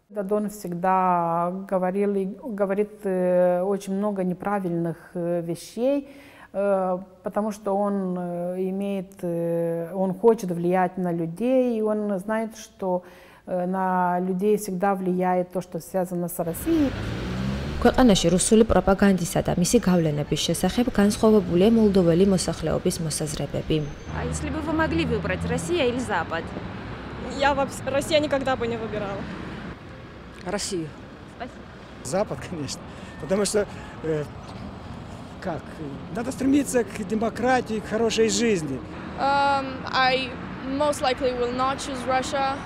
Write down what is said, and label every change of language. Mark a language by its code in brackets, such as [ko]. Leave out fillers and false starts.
[ru] Додон всегда говорит очень много неправильных вещей, потому что он хочет влиять на людей, и он знает, что на людей всегда влияет то, что связано с Россией. [ka] ქვეყანაში რუსული პროპაგანდისა და მისი გავლენების შესახებ განსხვავებულია მოლდოველი მოსახლეობის მოსაზრებები. [ru] Если бы вы могли выбрать Россия или Запад? Я вообще Россия никогда бы не выбирала. Россию. Спасибо. Запад, конечно. Потому что как? Надо стремиться к демократии, к хорошей жизни. [en] I most likely will not choose Russia.